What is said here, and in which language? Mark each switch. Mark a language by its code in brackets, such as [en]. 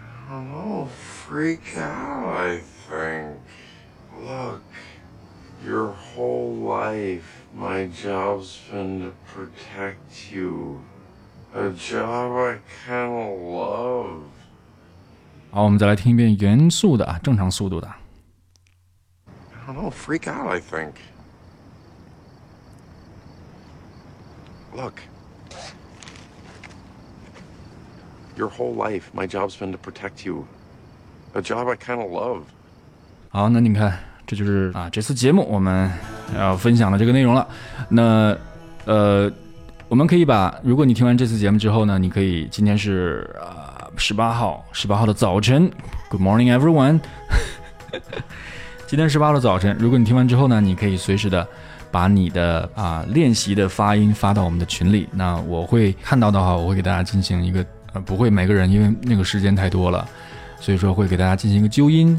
[en] I'm a little freak out, I think. Look, your whole life, my job's been to protect you. A job I kind of love. [zh] 好，我们再来听一遍原速的，正常速度的。 [en] I don't know, freak out, I think. Look, your whole life, my job's been to protect you. A job I kind of love. [zh] 好，那你看。这就是这次节目我们要分享的这个内容了。那我们可以把，如果你听完这次节目之后呢，你可以，今天是18号的早晨 ， [en] Good morning everyone， [zh] 今天18号的早晨，如果你听完之后呢，你可以随时的把你的练习的发音发到我们的群里，那我会看到的话，我会给大家进行一个不会每个人，因为那个时间太多了，所以说会给大家进行一个纠音。